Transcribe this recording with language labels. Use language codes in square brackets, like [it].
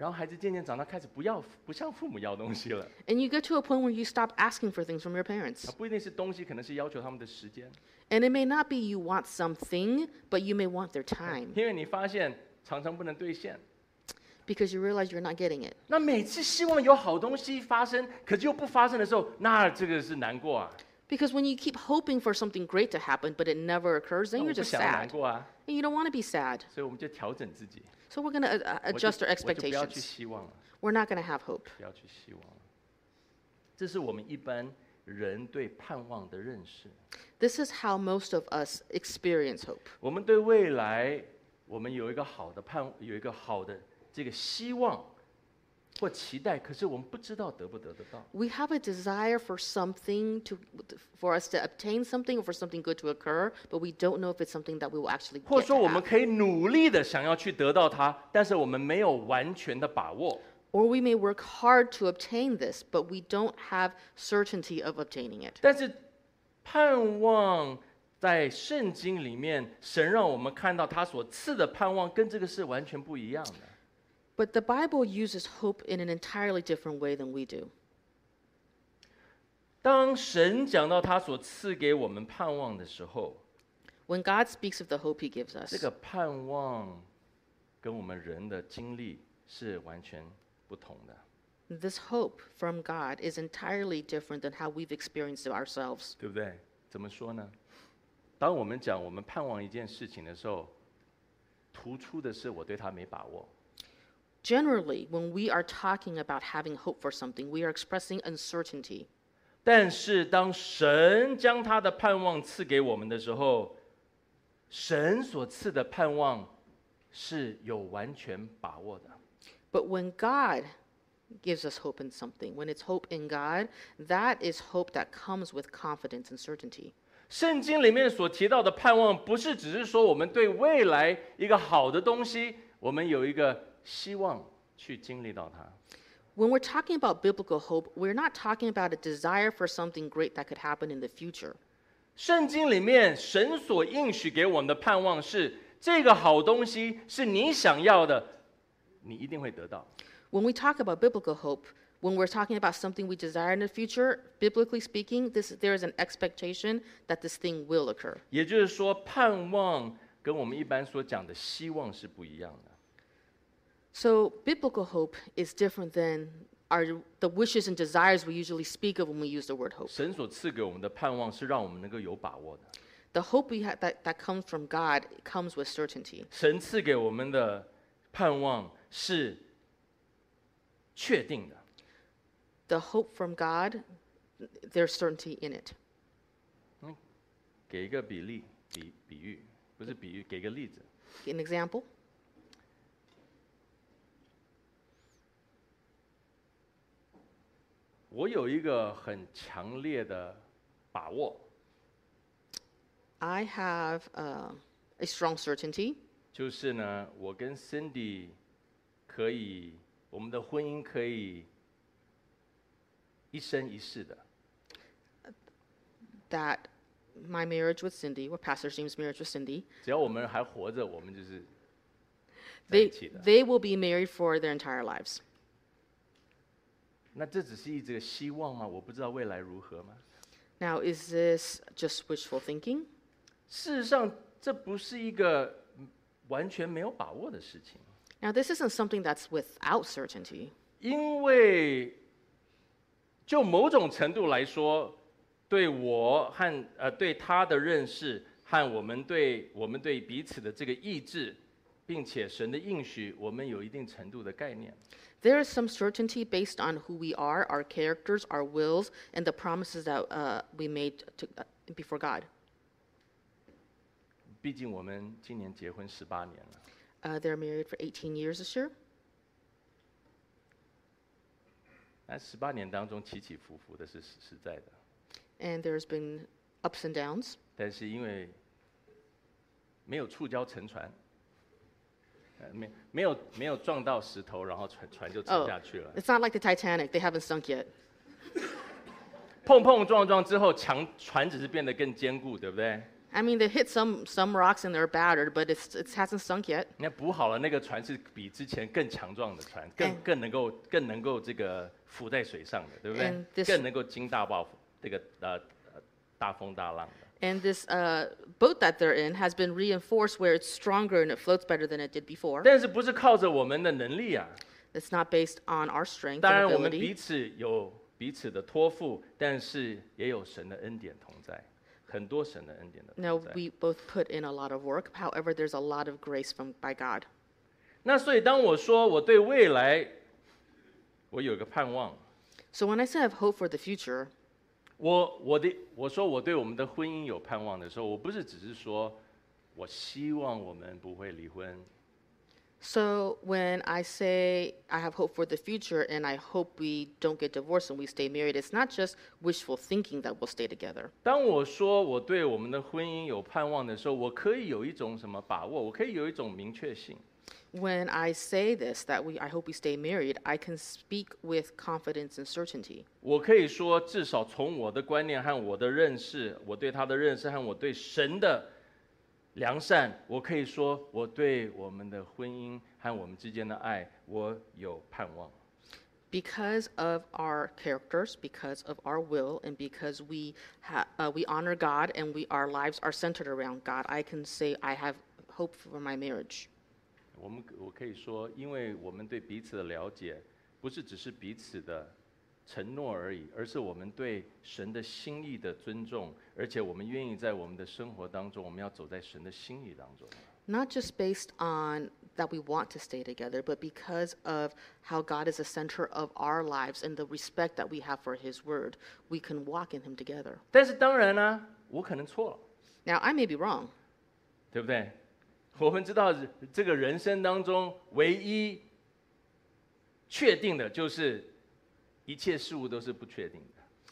[zh] 然后孩子渐渐长大，开始不向父母要东西了。 [en] And you get to a point where you stop asking for things from your parents. [zh] 不一定是东西，可能是要求他们的时间。 [en] And it may not be you want something, but you may want their time. [zh] 因为你发现常常不能兑现。 [en] Because you realize you're not getting it. [zh] 那每次希望有好东西发生，可是又不发生的时候，那这个是难过啊。 [en] Because when you keep hoping for something great to happen, but it never occurs, then you're just sad. [zh] 那我不想难过啊。 [en] And you don't want to be sad. [zh] 所以我们就调整自己。 [en] So we're going to adjust our expectations. [zh] 我就不要去希望了。 [en] We're not going to have hope. [zh] 不要去希望了。这是我们一般人对盼望的认识。 [en] This is how most of us experience hope. [zh] 我们对未来，我们有一个好的盼，有一个好的。这个希望或期待，可是我们不知道得不得得到。 [en] We have a desire for something to, for us to obtain something or for something good to occur, but we don't know if it's something that we will actually get. [zh] 或者说，我们可以努力的想要去得到它，但是我们没有完全的把握。 [en] Or we may work hard to obtain this, but we don't have certainty of obtaining it. [zh] 但是盼望在圣经里面，神让我们看到他所赐的盼望跟这个是完全不一样的。 [en] But the Bible uses hope in an entirely different way than we do. [zh] 当神讲到他所赐给我们盼望的时候， [en] When God speaks of the hope he gives us, [zh] 这个盼望跟我们人的经历是完全不同的。 [en] This hope from God is entirely different than how we've experienced it ourselves. [zh] 对不对？怎么说呢？当我们讲我们盼望一件事情的时候，突出的是我对它没把握。 [en] Generally, when we are talking about having hope for something, we are expressing uncertainty. [zh] 但是当神将他的盼望赐给我们的时候，神所赐的盼望是有完全把握的。 [en] But when God gives us hope in something, when it's hope in God, that is hope that comes with confidence and certainty. [zh] 圣经里面所提到的盼望，不是只是说我们对未来一个好的东西，我们有一个希望去经历到它。 [en] When we're talking about biblical hope, we're not talking about a desire for something great that could happen in the future. [zh] 圣经里面神所应许给我们的盼望是这个好东西是你想要的，你一定会得到。 [en] When we talk about biblical hope, when we're talking about something we desire in the future, biblically speaking, there is an expectation that this thing will occur. [zh] 也就是说，盼望跟我们一般所讲的希望是不一样的。 [en] So biblical hope is different than the wishes and desires we usually speak of when we use the word hope. [zh] 神所赐给我们的盼望是让我们能够有把握的。 [en] The hope we have that comes from God comes with certainty. [zh] 神赐给我们的盼望是确定的。 [en] The hope from God, there's certainty in it. [zh] 给一个比例，比喻，不是比喻，给个例子。 [en] An example. [zh] 我有一个很强烈的把握。 [en] I have a strong certainty. [zh] 就是呢，我跟 Cindy 可以，我们的婚姻可以一生一世的。 [en] That my marriage with Cindy, or Pastor James' marriage with Cindy. [zh] 只要我们还活着，我们就是在一起的。 [en] They will be married for their entire lives. [zh] 那这只是一个希望吗？我不知道未来如何吗？ [en] Now, is this just wishful thinking? [zh] 事实上，这不是一个完全没有把握的事情。 [en] Now, this isn't something that's without certainty. [zh] 因为就某种程度来说，对我和对他的认识和我们对彼此的这个意志，并且神的应许，我们有一定程度的概念。 [en] There is some certainty based on who we are, our characters, our wills, and the promises that we made to, before God. [zh] 毕竟我们今年结婚十八年了。 [en] They're married for 18 years this year. [zh] 那十八年当中起起伏伏的是实在的。 [en] And there's been ups and downs. [zh] 但是因为没有触礁沉船。没有撞到石头，然后船就沉下去了。 [en] Oh, it's not like the Titanic; they haven't sunk yet. [zh] 碰碰撞撞之后，船只是变得更坚固，对不对 [en] ？I mean, they hit some rocks and they're battered, but it hasn't sunk yet. [zh] 那补好了，那个船是比之前更强壮的船，更能够这个浮在水上的，对不对？ [en] This, [zh] 更能够经大暴这个大风大浪。 [en] And this boat that they're in has been reinforced where it's stronger and it floats better than it did before. [zh] 但是不是靠着我们的能力啊。 [en] It's not based on our strength [zh] 当然我们彼此有彼此的托付，但是也有神的恩典同在，很多神的恩典的同在。 [en] Now we both put in a lot of work. However, there's a lot of grace by God. [zh] 那所以当我说我对未来我有个盼望。 [en] So when I say I have hope for the future, [zh] 我说我对我们的婚姻有盼望的时候，我不是只是说我希望我们不会离婚。 [en] So when I say I have hope for the future and I hope we don't get divorced and we stay married, it's not just wishful thinking that we'll stay together. [zh] 当我说我对我们的婚姻有盼望的时候，我可以有一种什么把握？我可以有一种明确性。 [en] When I say this, that I hope we stay married, I can speak with confidence and certainty. [zh] 我可以说，至少从我的观念和我的认识，我对他的认识和我对神的良善，我可以说，我对我们的婚姻和我们之间的爱，我有盼望。 [en] Because of our characters, because of our will, and because we honor God and our lives are centered around God, I can say I have hope for my marriage. [zh] 我可以说，因为我们对彼此的了解，不是只是彼此的承诺而已，而是我们对神的心意的尊重，而且我们愿意在我们的生活当中，我们要走在神的心意当中。 [en] Not just based on that we want to stay together, but because of how God is the center of our lives and the respect that we have for His word, we can walk in Him together. [zh] 但是当然呢，我可能错了。 [en] Now I may be wrong. [zh] 对不对？我们知道这个人生当中唯一确定的就是一切事物都是不确定的。